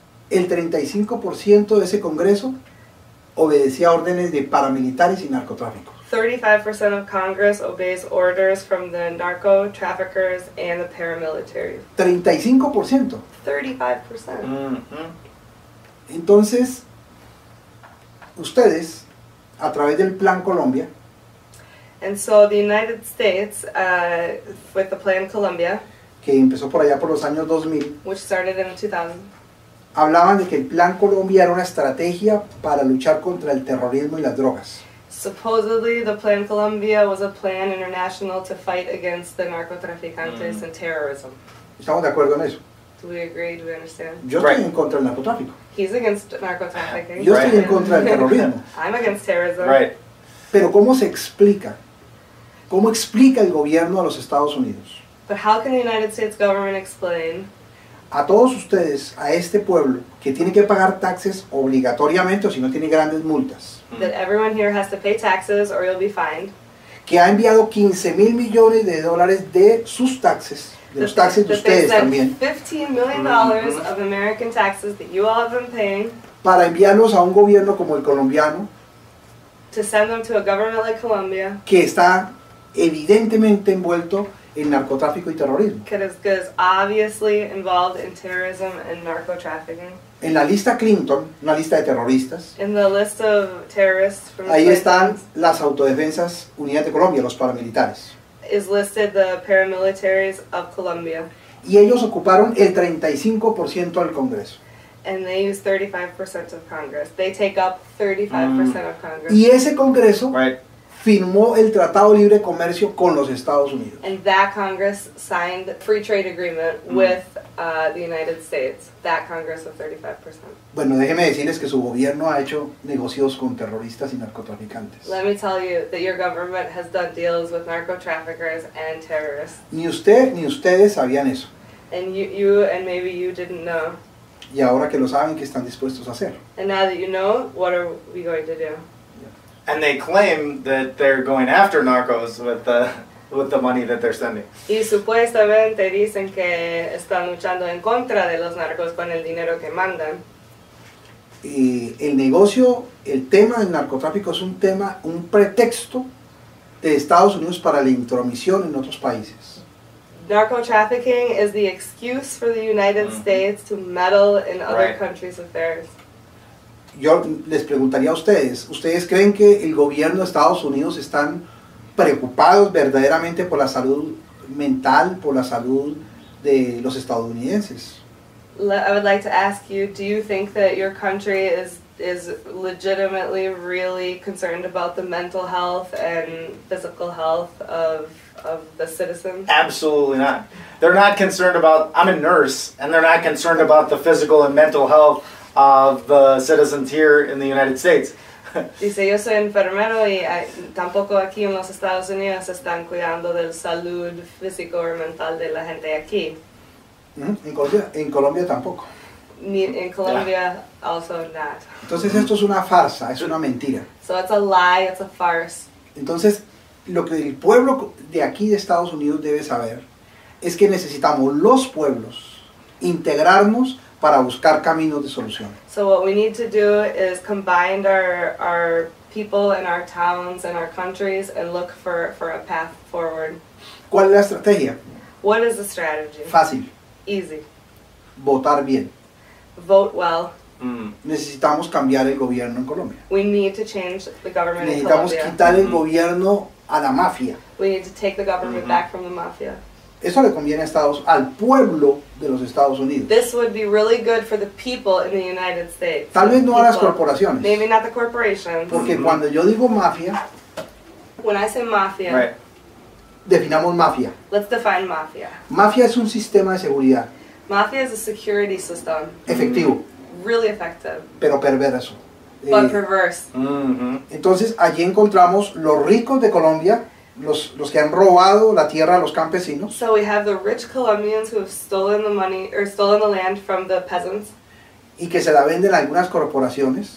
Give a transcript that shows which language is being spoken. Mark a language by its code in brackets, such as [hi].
[es] El 35% de ese Congreso obedecía órdenes de paramilitares y narcotráficos. [en] 35% of Congress obeys orders from the narco traffickers and the paramilitary. 35%. 35%. Mm-hmm. [es] Entonces, ustedes, a través del Plan Colombia. [en] And so the United States, with the Plan Colombia, [es] que empezó por allá por los años 2000, [en] which started in 2000. [es] Hablaban de que el Plan Colombia era una estrategia para luchar contra el terrorismo y las drogas. [en] Supposedly, the Plan Colombia was a plan international to fight against the narcotraficantes and terrorism. [es] ¿Estamos de acuerdo en eso? [en] Do we agree? Do we understand? [es] Yo estoy en contra del narcotráfico. [en] He's against narcotrafficking. [es] Yo estoy en contra del terrorismo. [en] I'm against terrorism. Right. [es] Pero ¿cómo se explica? ¿Cómo explica el gobierno a los Estados Unidos? [en] But how can the United States government explain? [es] A todos ustedes, a este pueblo, que tiene que pagar taxes obligatoriamente o si no tiene grandes multas. [en] That everyone here has to pay taxes or you'll be fined. [es] Que ha enviado 15,000 millones de dólares de sus taxes, de los taxes de ustedes también. [en] $15 million of American taxes that you all have been paying. [es] Para enviarlos a un gobierno como el colombiano. [en] To send them to a government like Colombia. [es] Que está evidentemente envuelto en narcotráfico y terrorismo. Que es [en] obviously involved in terrorism and narcotrafficking. [es] En la lista Clinton, una lista de terroristas. [en] In the list of terrorists from [es] ahí Clinton, están las autodefensas Unidad de Colombia, los paramilitares. [en] Is listed the paramilitaries of Colombia. [es] Y ellos ocuparon el 35% del Congreso. [en] And they use 35% of Congress. They take up 35% of Congress. [es] Y ese Congreso, [en] right, [es] firmó el Tratado de Libre Comercio con los Estados Unidos. [en] And that Congress signed the free trade agreement with the United States. That Congress of 35%. [es] Bueno, déjeme decirles que su gobierno ha hecho negocios con terroristas y narcotraficantes. [en] Let me tell you that your government has done deals with narcotraffickers and terrorists. [es] Ni usted ni ustedes sabían eso. [en] And you and maybe you didn't know. [es] Y ahora que lo saben, ¿qué están dispuestos a hacer? [en] And now that you know, what are we going to do? And they claim that they're going after narcos with the money that they're sending. [es] Y supuestamente dicen que están luchando en contra de los narcos con el dinero que mandan. Y el negocio, el tema del narcotráfico es un tema, un pretexto de Estados Unidos para la intromisión en otros países. [en] Narcotrafficking is the excuse for the United States to meddle in other countries' affairs. [es] Yo les preguntaría a ustedes, ¿ustedes creen que el gobierno de Estados Unidos están preocupados verdaderamente por la salud mental, por la salud de los estadounidenses? [en] I would like to ask you, do you think that your country is legitimately really concerned about the mental health and physical health of the citizens? Absolutely not. They're not concerned about, I'm a nurse, and they're not concerned about the physical and mental health of the citizens here in the United States. [es] Dice, yo soy enfermero y tampoco aquí en los Estados Unidos están cuidando del salud físico o mental de la gente aquí. En Colombia tampoco. Ni en Colombia, [en] yeah. Also not. [es] Entonces esto es una farsa, es una mentira. [en] So it's a lie, it's a farce. [es] Entonces, lo que el pueblo de aquí de Estados Unidos debe saber es que necesitamos los pueblos integrarnos para buscar caminos de solución. [en] So what we need to do is combine our people and our towns and our countries and look for a path forward. [es] ¿Cuál es la estrategia? [en] What is the strategy? [es] Fácil. [en] Easy. [es] Votar bien. [en] Vote well. [es] Necesitamos cambiar el gobierno en Colombia. [en] We need to change the government in Colombia. [es] Necesitamos quitar el gobierno a la mafia. [en] We need to take the government back from the mafia. [es] Eso le conviene a Estados, al pueblo de los Estados Unidos. [en] This would be really good for the people in the United States. [es] Tal vez no a las corporaciones. [en] Maybe not the corporations. [es] Porque cuando yo digo mafia. [en] When I say mafia. Right. [es] Definamos mafia. [en] Let's define mafia. [es] Mafia es un sistema de seguridad. [en] Mafia is a security system. [es] Efectivo. [en] Really effective. [es] Pero perverso. [en] But perverse. [es] Entonces allí encontramos los ricos de Colombia. Los que han robado la tierra a los campesinos. [en] So we have the rich Colombians who have stolen the money or stolen the land from the peasants. [es] Y que se la venden a algunas corporaciones.